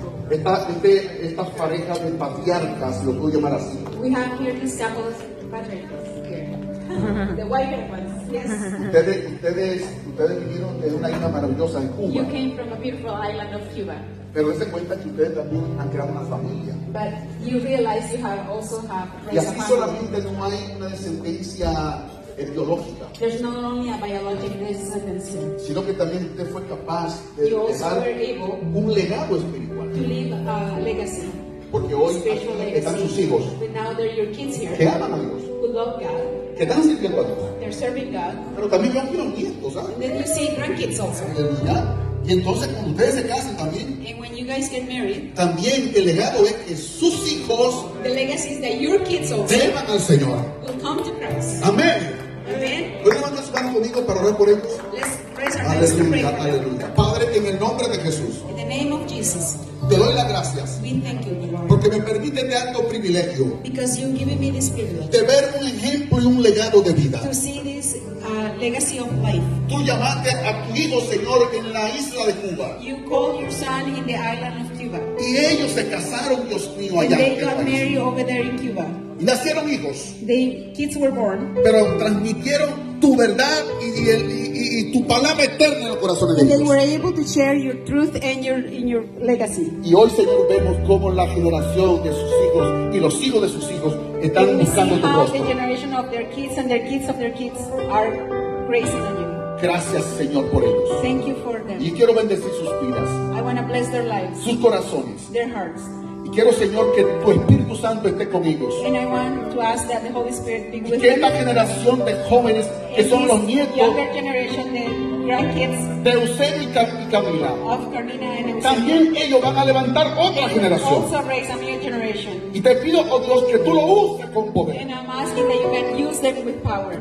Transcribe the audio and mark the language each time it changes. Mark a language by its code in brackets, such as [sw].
[es] Estas parejas de patriarcas, lo puedo llamar así. [en] We have here these couples patriarchs here. The white ones. Yes. [es] Ustedes vinieron de una isla maravillosa en Cuba. [en] You came from a beautiful island of Cuba. [es] Pero se cuenta que ustedes también han creado una familia. [en] But you realize you have also have. [es] Y así solamente no hay una descendencia biológica. [en] There's not only a biological descendency. [es] Sino que también usted fue capaz de dejar un legado espiritual. [en] To leave a legacy. [es] Porque hoy están sus hijos. [en] But now they're your kids here. [es] Que aman a Dios. [en] Who love God. [es] Que están sirviendo a Dios. [en] They're serving God. [es] Pero también van a tener nietos, ¿sabes? [en] And then you see grandkids also. [es] ¿Ya? Y entonces cuando ustedes se casen también, [en] and when you guys get married, [es] también el legado es que sus hijos, [en] the legacy is that your kids also, [es] llevan al Señor. [en] Will come to Christ. [es] Amén. Amén. ¿Pueden levantar sus manos conmigo para orar por ellos? Aleluya, aleluya. Padre, en el nombre de Jesús, [en] in the name of Jesus, [es] te doy las gracias. [en] We thank you, Lord, [es] porque me permite de alto privilegio, [en] because you've given me this privilege, [es] de ver un ejemplo y un legado de vida. [en] To see this legacy of life. [es] Tú llamaste a tu hijo, Señor, en la isla de Cuba. [en] You called your son in the island of Cuba. [es] Y ellos se casaron, Dios mío, allá. [en] They got married over there in Cuba. [es] Y nacieron hijos. [en] The kids were born. [es] Pero transmitieron tu verdad y tu palabra eterna en los corazones de ellos. [en] They were able to share your truth and your legacy. [es] Y hoy, Señor, vemos cómo la generación de sus hijos y los hijos de sus hijos están buscando tu rostro. [en] The generation of their kids and their kids of their kids are praising you. [es] Gracias, Señor, por ellos. [en] Thank you for them. [es] Y quiero bendecir sus vidas. [en] I want to bless their lives. [es] Sus corazones. [en] Their hearts. [es] Quiero, Señor, que tu Espíritu Santo esté con ellos. [en] And I want to ask that the Holy Spirit be with [es] y que esta generación de jóvenes que son los nietos [en] the grandkids, [es] de Eusebio y Camila, [en] of Carmina and Eusebio, [es] también ellos van a levantar otra generación. [en] Also raise a new generation. [es] Y te pido, oh Dios, que tú lo uses con poder. [en] And I'm asking that you can use them with power.